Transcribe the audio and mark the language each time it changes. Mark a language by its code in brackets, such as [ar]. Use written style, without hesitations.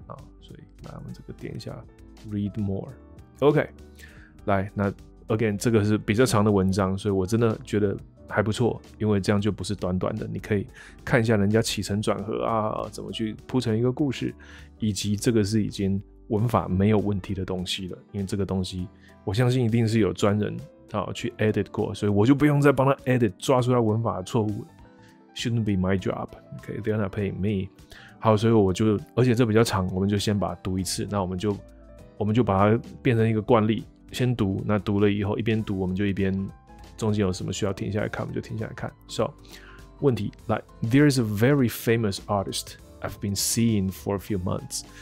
[zh] 啊，所以来我们这个点一下 Read More。OK， 来那 again 这个是比较长的文章，所以我真的觉得还不错，因为这样就不是短短的，你可以看一下人家起承转合啊，怎么去铺成一个故事，以及这个是已经文法没有问题的东西了，因为这个东西我相信一定是有专人去 edit 过，所以我就不用再帮他 edit 抓出他文法的错误了。 [en] Shouldn't be my job， okay, they're not paying me。 [zh] 好，所以我就而且这比较长，我们就先把它读一次，那我们就把它变成一个惯例，先读，那读了以后一边读我们就一边中间有什么需要停下来看，我们就停下来看。 [en] So， [zh] 问题来 [en] ，There is a very famous artist I've been seeing for a few months。